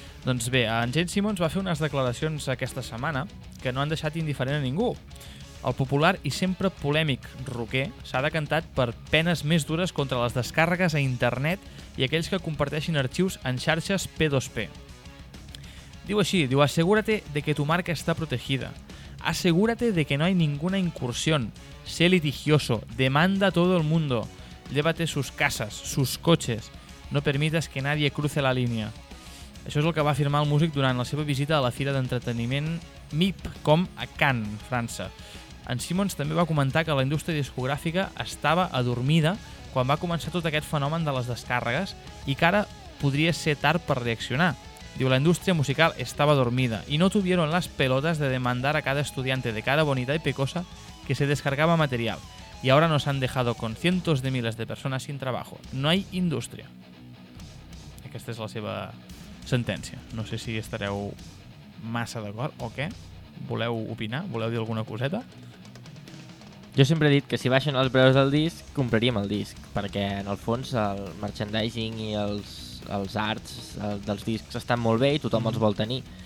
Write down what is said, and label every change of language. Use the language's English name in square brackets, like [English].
[Catalan] Doncs bé, en Gene Simmons va fer unes declaracions aquesta setmana que no han deixat indiferent a ningú. El popular i sempre polèmic rocker s'ha decantat per penes més dures contra les descàrregues a internet i aquells que comparteixin arxius en xarxes P2P. Diu així, diu, [Spanish] asegúrate de que tu marca està protegida. Asegúrate de que no hay ninguna incursión. Sé litigioso. Demanda a todo el mundo. Llévate sus casas, sus coches. No permites que nadie cruce la línia. [Catalan] Això és el que va afirmar el músic durant la seva visita a la fira d'entreteniment MIPCOM a Cannes, França. En Simmons també va comentar que la indústria discogràfica estava adormida quan va començar tot aquest fenomen de les descàrregues i que ara podria ser tard per reaccionar. Diu, la indústria musical estava adormida i [Spanish] no tuvieron las pelotas de demandar a cada estudiante de cada bonita y pecosa que se descargaba material. Y ahora nos han dejado con cientos de miles de personas sin trabajo. No hay industria. [Catalan] Aquesta és la seva sentència. No sé si estareu massa d'acord o què. Voleu opinar? Voleu dir alguna coseta? Jo sempre he dit que si baixen els preus del disc, compraríem el disc. Perquè, en el fons, el merchandising i els arts dels discs estan molt bé i tothom els vol tenir.